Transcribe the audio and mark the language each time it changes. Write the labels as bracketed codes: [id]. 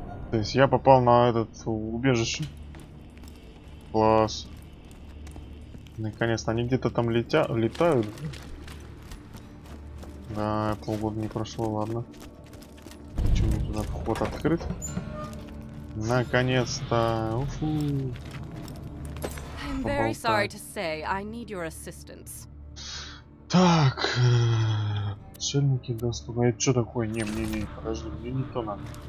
[ru] То есть я попал на этот убежище. Класс. Наконец-то. Они где-то там летают. Да, полгода не прошло, ладно. Почему туда вход открыт? Наконец-то. Уфу. [en] I'm very sorry to say, I need your assistance. [ru] Так, цельники доступны. Это что такое? Не, мне, подожди, мне не то надо.